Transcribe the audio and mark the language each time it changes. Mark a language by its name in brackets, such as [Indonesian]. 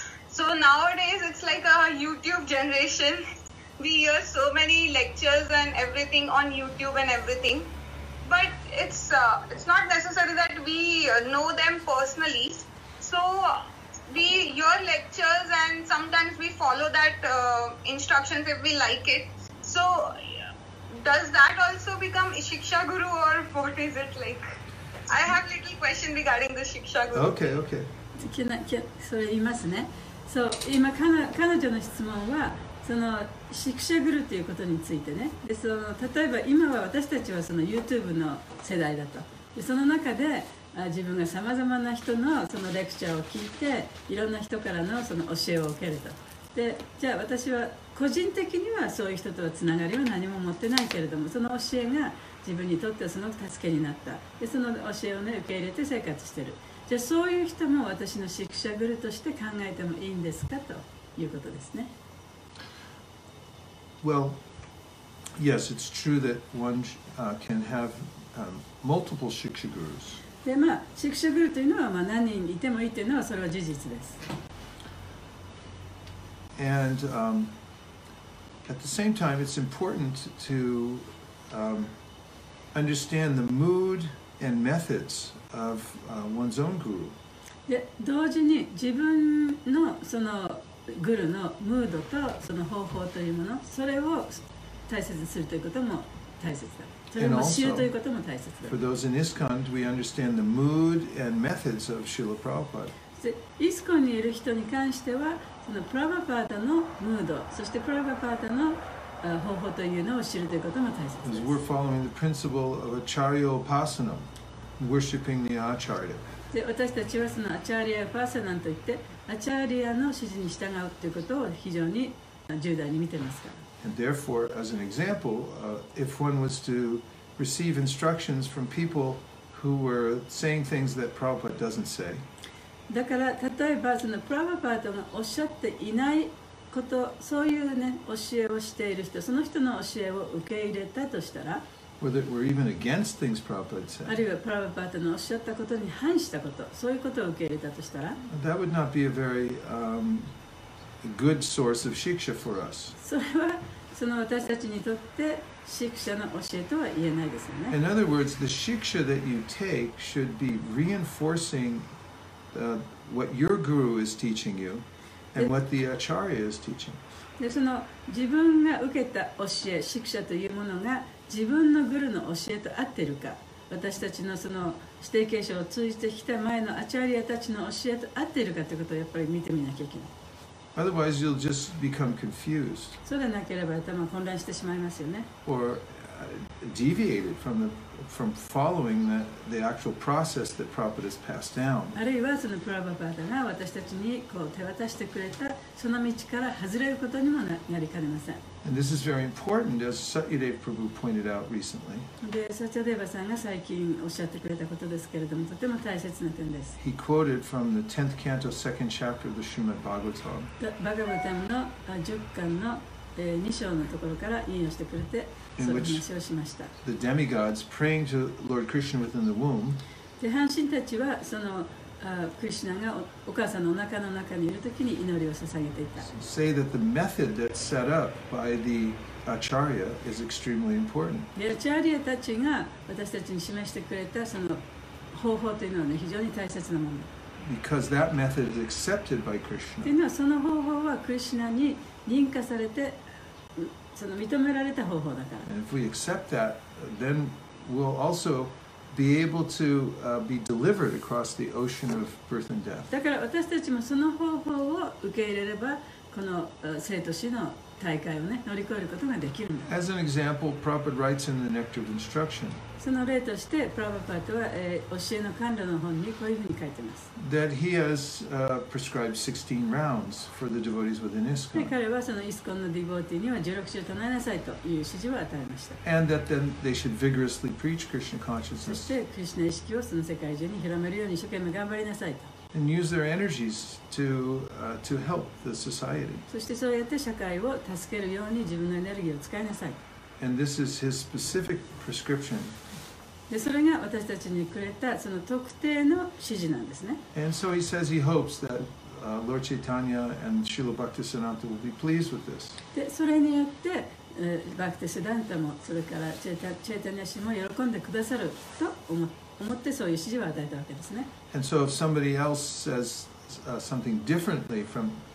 [English] So nowadays it's like a YouTube generation. We hear so many lectures and everything on YouTube and everything, but it's not necessary that we know them personally. So we hear lectures and sometimes we follow that instructions if we like it. So does that also become Shiksha Guru, or what is it like? I have little question regarding the Shiksha Guru. Okay, okay. [Japanese] それ言いますね。そう、今彼女の質問はそのシクシャグルということについてね。でその例えば今は私たちはその YouTube の世代だと。でその中で自分がさまざまな人のそのレクチャーを聞いていろんな人からのその教えを受けると。でじゃあ私は個人的にはそういう人とはつながりは何も持ってないけれども、その教えが自分にとってはすごく助けになった。でその教えをね受け入れて生活してる。じゃあそういう人も私のシクシャグルとして考えてもいいんですかということですね。 [English] Well, yes, it's true that one can have multiple Shiksha Gurus. [Japanese] で、まあ、Shiksha Guru というのは、まあ、何人いてもいいというのはそれは事実です。 [English] And at the same time, it's important to understand the mood and methods of one's own guru. [Japanese] で、同時に自分のそのグルのムードとその方法というもの、それを大切にするということも大切だ。それも知るということも大切だ。 [English] For those in ISKCON, we understand the mood and methods of Srila Prabhupada. [Japanese] ISKCON にいる人に関しては、そのプラバパータのムード、そしてプラバパータの方法というのを知るということも大切です。 [English] We're following the principle of Acharya Upasana, worshipping the Acharya. [Japanese] で私たちはそのアチャーリア・パーサナンといってアチャーリアの指示に従うということを非常に重大に見てますから。 [English] And therefore, as an example, if one was to receive instructions from people who were saying things that Prabhupada doesn't say, [Japanese] だから例えばそのプラヴァパーダがおっしゃっていないこと、そういうね教えをしている人、その人の教えを受け入れたとしたら。 [English] Or that we're even against things Prabhupada said. [Japanese] あるいはプラヴァパーダのおっしゃったことに反したこと、そういうことを受け入れたとしたら、 [English] That would not be a very good source of shiksha for us. [Japanese] それはその私たちにとってshiksha の教えとは言えないですよね。 [English] In other words, the shiksha that you take should be reinforcing what your guru is teaching you and what the acharya is teaching. [Japanese] でその自分が受けた教え、shiksha というものが自分のグルの教えと合ってるか、私たちのその指定継承を通じてきた前のアチャリアたちの教えと合ってるかということをやっぱり見てみなきゃいけない。 [English] Otherwise, you'll just become confused. [Japanese] そうでなければ頭混乱してしまいますよね。 [English] Or deviated from the from following the actual process that Prabhupada has passed down. [Japanese] あるいはそのプラヴァパーダが私たちにこう手渡してくれたその道から外れることにもなりかねません。 [English] And this is very important, as Satyadeva Prabhu pointed out recently. [Japanese] Satyadeva さんが最近おっしゃってくれたことですけれども、とても大切な点です。 [English] He quoted from the 10th canto, 2nd chapter of the Srimad Bhagavatam. [Japanese] Bhagavatam の10巻の2章のところから引用してくれて、その話をしました。 [English] The demigods praying to Lord Krishna within the womb. [Japanese] で、半身たちはそのクリシナがお母さんのお腹の中にいるときに祈りを捧げていた。 [English] Say that the method that's set up by the acharya is extremely important. [Japanese] アチャリアたちが私たちに示してくれたその方法というのは、ね、非常に大切なもの。 [English] Because that method is accepted by Krishna. [Japanese] というのはその方法はクリシナに認可されてその認められた方法だから。 [English] And if we accept that, then we'll also be able to be delivered across the ocean of birth and death. [Japanese] だから私たちもその方法を受け入れればこの生と死の大海をね乗り越えることができるんだ。 [English] As an example, Prabhupada writes in the Nectar of Instruction. [Japanese] その例としてプラヴァパーダは、教えの甘露の本にこういうふうに書いてます。 [English] That he has prescribed 16 rounds for the devotees within ISKCON. [Japanese] 彼はそのイスコンのディボーティーには16週唱えなさいという指示を与えました。 [English] And that then they should vigorously preach Krishna consciousness. [Japanese] そしてクリシナ意識をその世界中に広めるように一生懸命頑張りなさいと。 [English] And use their energies to help the society. [Japanese] そしてそうやって社会を助けるように自分のエネルギーを使いなさい。 [English] And this is his specific prescription. [Japanese] でそれが私たちにくれたその特定の指示なんですね。 [English] And so he says he hopes that Lord Chaitanya and Srila Bhaktisiddhanta will be pleased with this. [Japanese] でそれによって、Bhaktisiddhanta もそれから Chaitanya 氏も喜んでくださると思ってそういう指示を与えたわけですね。 [English] And so if somebody else says something differently from